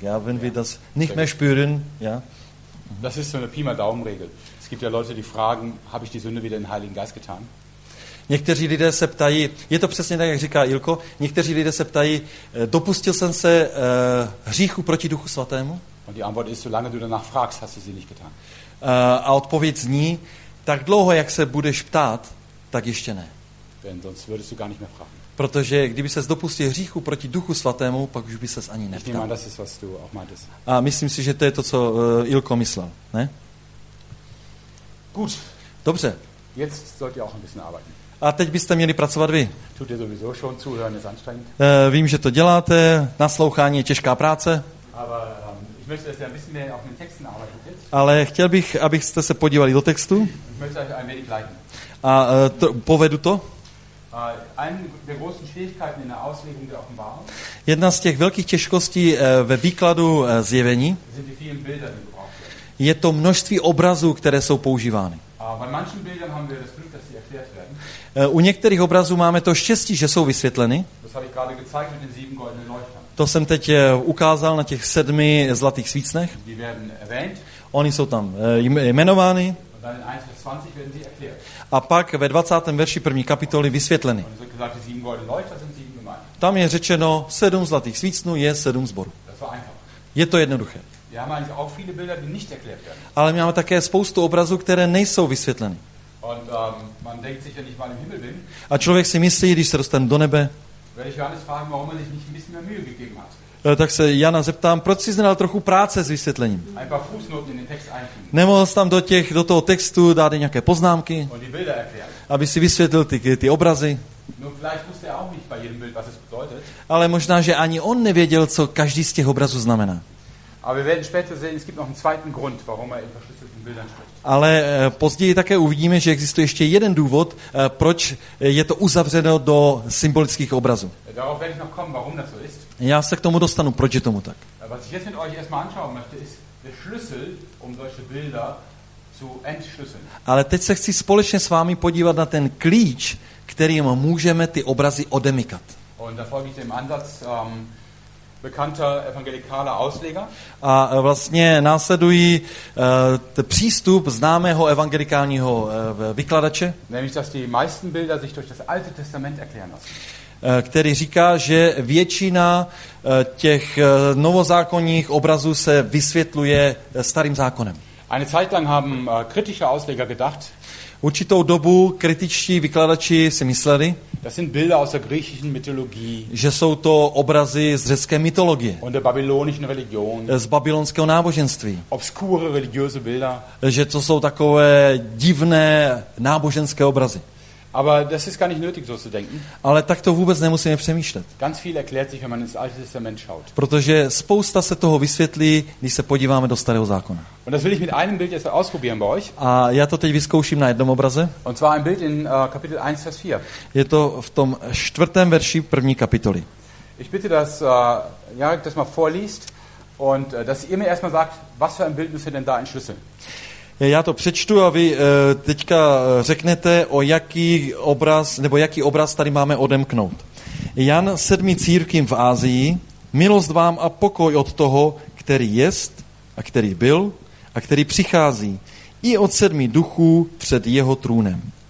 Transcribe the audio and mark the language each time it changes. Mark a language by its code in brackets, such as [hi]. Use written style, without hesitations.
[de] Ja, wenn wir das nicht mehr spüren, ja. Das ist so eine Pi mal Daumen-Regel. Es gibt ja Leute, die fragen: Habe ich die Sünde wieder in den Heiligen Geist getan? [cs] Někteří lidé se ptají, je to přesně tak, jak říká Ilko, někteří lidé se ptají, dopustil jsem se hříchu proti Duchu Svatému? [de] Und die Antwort ist, solange du danach fragst, hast du sie nicht getan. [cs] A odpověď zní, tak dlouho, jak se budeš ptát, tak ještě ne. [de] Denn sonst würdest du gar nicht mehr fragen. [cs] Protože kdyby ses dopustil hříchu proti Duchu Svatému, pak už by ses ani neptal. [de] Ich nehme, das ist, was du auch meintest. [cs] A myslím si, že to je to, co Ilko myslel, ne? [de] Gut. [cs] Dobře. [de] Jetzt sollt ihr auch ein bisschen arbeiten. [cs] A teď byste měli pracovat vy. [de] Tut ihr sowieso schon, zuhören ist anstrengend. [cs] Vím, že to děláte, naslouchání je těžká práce. [de] Aber, ich möchte, dass ihr ein bisschen mehr auf den Texten arbeitet. [cs] Ale chtěl bych, abyste se podívali do textu. [de] Ich möchte euch ein wenig leiten. [cs] A to, povedu to. [de] Eine der großen Schwierigkeiten in der Auslegung der Offenbarung. [cs] Jedna z těch velkých těžkostí ve výkladu zjevení. [de] Sind die vielen Bilder, die gebraucht werden. [cs] Je to množství obrazů, které jsou používány. [de] Bei manchen Bildern haben wir das Glück, dass sie erklärt werden. [cs] U některých obrazů máme to štěstí, že jsou vysvětleny. [de] Das habe ich gerade gezeigt mit den sieben goldenen Leuchtern. [cs] To jsem teď ukázal na těch sedmi zlatých svícnech. [de] Die werden erwähnt. [cs] Oni jsou tam jmenovány. [de] Und dann in 1 bis 20 werden sie erklärt. [cs] A pak ve 20. verši první kapitoly vysvětleny. [de] Und es wird gesagt, die sieben goldenen Leuchter sind sieben Gemeinden. [cs] Tam je řečeno, sedm zlatých svícnů je sedm zborů. [de] Das war einfach. [cs] Je to jednoduché. [de] Wir haben eigentlich auch viele Bilder, die nicht erklärt werden. [cs] Ale máme také spoustu obrazů, které nejsou vysvětleny. [de] Und man denkt sich, wenn ich mal im Himmel bin. [cs] A člověk si myslí, když se dostane do nebe. [de] Werde ich Johannes fragen, warum er sich nicht ein bisschen mehr Mühe gegeben hat. [cs] Tak se Jana zeptám, proč jsi nedal trochu práce s vysvětlením? [de] Ein paar Fußnoten in den Text einfügen. [cs] Nemohl jsi tam do toho textu dát nějaké poznámky? [de] Und die Bilder erklären. [cs] Aby si vysvětlil ty obrazy. [de] Nun, vielleicht wusste er auch nicht bei jedem Bild, was es bedeutet. [cs] Ale možná, že ani on nevěděl, co každý z těch obrazů znamená. [de] Aber wir werden später sehen, es gibt noch einen zweiten Grund, warum er in verschlüsselten Bildern spricht. [cs] Ale později také uvidíme, že existuje ještě jeden důvod, proč je to uzavřeno do symbolických obrazů. [de] Darauf werde ich noch kommen, warum das so ist. [cs] Já se k tomu dostanu, proč je tomu tak. [de] Was ich jetzt mit euch erstmal anschauen möchte, ist der Schlüssel, um solche Bilder zu entschlüsseln. [cs] Ale teď se chci společně s vámi podívat na ten klíč, kterým můžeme ty obrazy odemykat. [de] Und da folge ich dem Ansatz bekannter evangelikaler Ausleger. [cs] A vlastně následují přístup známého evangelikálního vykladače. [de] Nämlich, dass die meisten Bilder sich durch das Alte Testament erklären lassen. [cs] Který říká, že většina těch novozákonních obrazů se vysvětluje starým zákonem. [de] Eine Zeit lang haben kritische Ausleger gedacht. [cs] Určitou dobu kritičtí vykladači si mysleli, [de] das sind Bilder aus der griechischen Mythologie. [cs] Že jsou to obrazy z řecké mytologie. [de] Und der babylonischen Religion. [cs] Z babylonského náboženství. [de] Obskure religiöse Bilder. [cs] Že to jsou takové divné náboženské obrazy. [de] Aber das ist gar nicht nötig, so zu denken. [cs] Ale tak to vůbec nemusíme přemýšlet. [de] Ganz viel erklärt sich, wenn man ins Alte Testament schaut. [cs] Protože spousta se toho vysvětlí, když se podíváme do starého zákona. [de] Und das will ich mit einem Bild jetzt ausprobieren bei euch. [cs] A já to teď vyzkouším na jednom obraze. [de] Und zwar ein Bild in Kapitel 1 Vers 4. [cs] Je to v tom čtvrtém verši první kapitoly. [de] Ich bitte, dass Jarek das mal vorliest und dass ihr mir erstmal sagt, was für ein Bild müsst ihr denn da entschlüsseln. [cs] Já to přečtu a vy teďka řeknete, o jaký obraz, nebo jaký obraz tady máme odemknout. Jan sedmi církvím v Ázii, milost vám a pokoj od toho, který jest a který byl a který přichází, i od sedmi duchů před jeho trůnem.